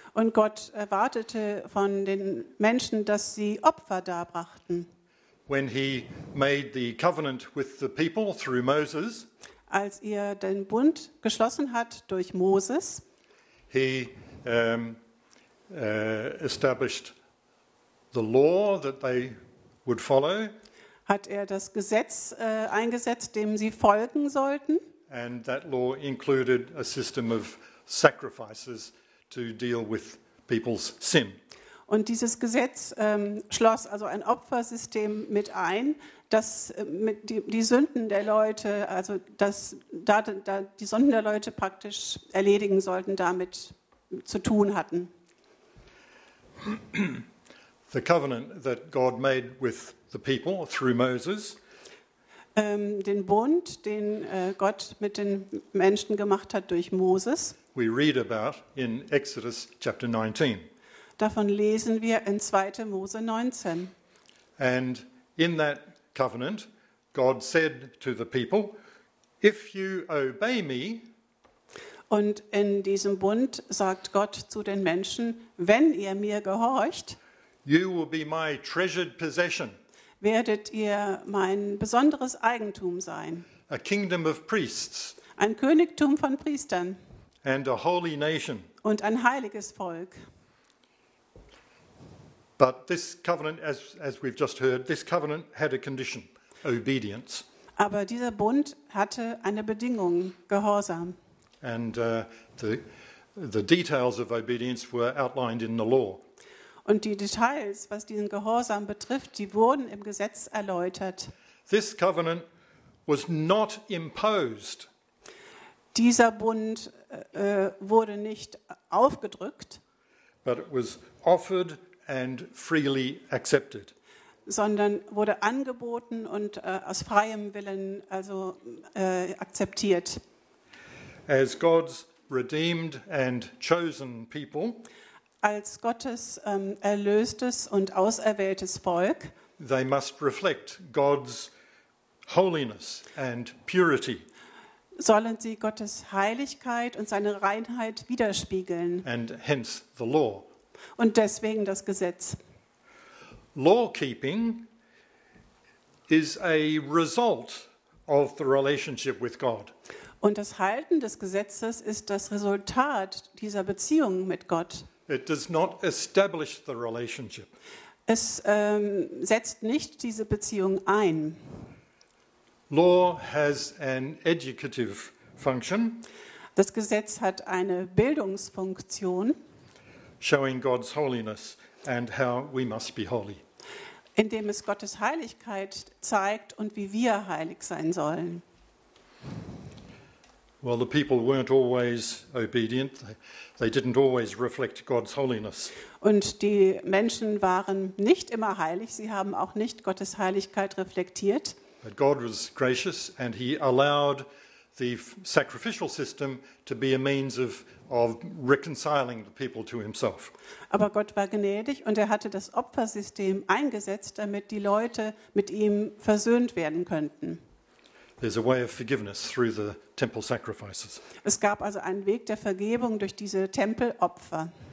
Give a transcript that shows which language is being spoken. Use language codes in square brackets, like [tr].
[de] Und Gott erwartete von den Menschen, dass sie Opfer darbrachten. [en] When he made the covenant with the people through Moses, [de] als er den Bund geschlossen hat durch Moses, [en] he established the law that they would follow, [de] hat er das Gesetz eingesetzt, dem sie folgen sollten. [en] And that law included a system of sacrifices to deal with people's sin. [de] Und dieses Gesetz schloss also ein Opfersystem mit ein, das mit die Sünden der Leute, also das da die Sünden der Leute praktisch erledigen sollten, damit zu tun hatten. [en] The covenant that God made with the people through Moses. [de] Den Bund, den Gott mit den Menschen gemacht hat durch Moses. [en] We read about in Exodus chapter 19. [de] Davon lesen wir in 2. Mose 19. [en] And in that covenant, God said to the people, if you obey me. [de] Und in diesem Bund sagt Gott zu den Menschen, wenn ihr mir gehorcht, [en] you will be my treasured possession. [de] Werdet ihr mein besonderes Eigentum sein. [en] A kingdom of priests. [de] Ein Königtum von Priestern. [en] And a holy nation. [de] Und ein heiliges Volk. [en] But this covenant, as we've just heard, this covenant had a condition, obedience. [de] Aber dieser Bund hatte eine Bedingung, Gehorsam. [en] And the details of obedience were outlined in the law. [de] Und die Details, was diesen Gehorsam betrifft, die wurden im Gesetz erläutert. [en] This covenant was not imposed. [de] Dieser Bund wurde nicht aufgedrückt, [en] but it was offered and freely accepted. [de] Sondern wurde angeboten und aus freiem Willen also akzeptiert. [en] As God's redeemed and chosen people, [de] als Gottes erlöstes und auserwähltes Volk, [en] they must reflect God's holiness and purity. [de] Sollen sie Gottes Heiligkeit und seine Reinheit widerspiegeln. [en] And hence the law. [de] Und deswegen das Gesetz. [en] Law-keeping is a result of the relationship with God. [de] Und das Halten des Gesetzes ist das Resultat dieser Beziehung mit Gott. [en] It does not establish the relationship. [de] Es setzt nicht diese Beziehung ein. [en] Law has an educative function. [de] Das Gesetz hat eine Bildungsfunktion. [en] Showing God's holiness and how we must be holy. [de] Indem es Gottes Heiligkeit zeigt und wie wir heilig sein sollen. [en] Well, the people weren't always obedient. They didn't always reflect God's holiness. [de] Und die Menschen waren nicht immer heilig. Sie haben auch nicht Gottes Heiligkeit reflektiert. [en] But God was gracious and he allowed the sacrificial system to be a means of reconciling the people to himself. [de] Aber Gott war gnädig und er hatte das Opfersystem eingesetzt, damit die Leute mit ihm versöhnt werden könnten. [en] There's a way of forgiveness through the temple sacrifices. [de] Es gab also einen Weg der Vergebung durch diese Tempelopfer.